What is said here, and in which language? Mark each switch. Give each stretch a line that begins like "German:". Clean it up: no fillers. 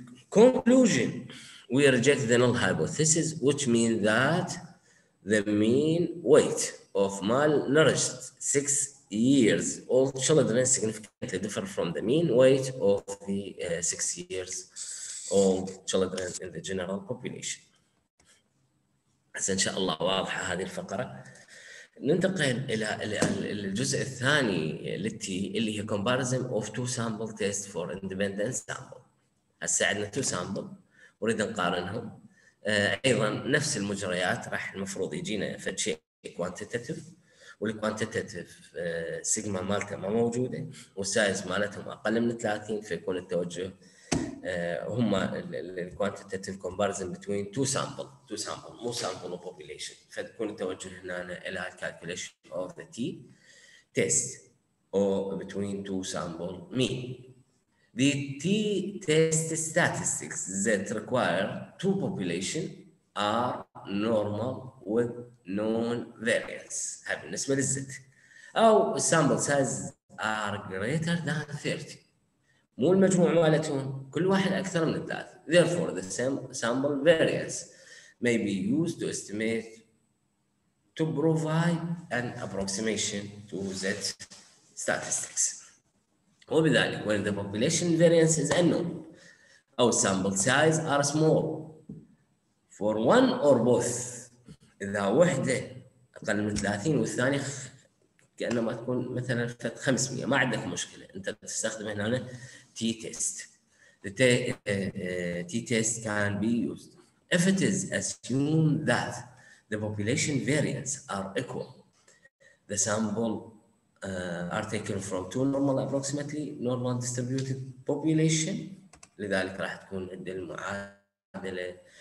English: Conclusion, we reject the null hypothesis, which means that the mean weight of malnourished 6 years old children significantly differ from the mean weight of the 6 years old children in the general population.
Arabic: As إن شاء الله واضحة هذه الفقرة. ننتقل الى الجزء الثاني للتي اللي هي
English: comparison of two sample tests for independent sample.
Arabic: هسه عندنا two sample اريد نقارنهم. ايضا نفس المجريات راح المفروض يجينا فد شيء كوانتيتيف، والكوانتيتيف سيجما مالته ما موجوده والسايز مالتهم اقل من 30، فيكون التوجه هم الكوانتيتيف كومبارزن بين تو سامبل، تو سامبل مو سامبل وبوبيليشن، فتكون التوجه هنا الى
English: الكالكوليشن of the t test
Arabic: او بين تو سامبل مين.
English: the t test statistics that require two population are normal with known variance,
Arabic: هاي بالنسبه للزد. او
English: sample size are greater than 30،
Arabic: مو المجموع مالتهم، كل واحد اكثر من الثالث.
English: Therefore the sample variance may be used to estimate to provide an approximation to Z statistics.
Arabic: وبذلك
English: when the population variance is unknown
Arabic: او
English: sample size are small for one or both،
Arabic: اذا وحده اقل من 30 والثانيه كانما تكون مثلا 500، ما عندك مشكله انت تستخدم هنا t-test.
English: The t-test can be used if it is assumed that the population variance are equal. The sample are taken from two normal approximately normal distributed population.
Arabic: لذلك راح تكون عند المعادلة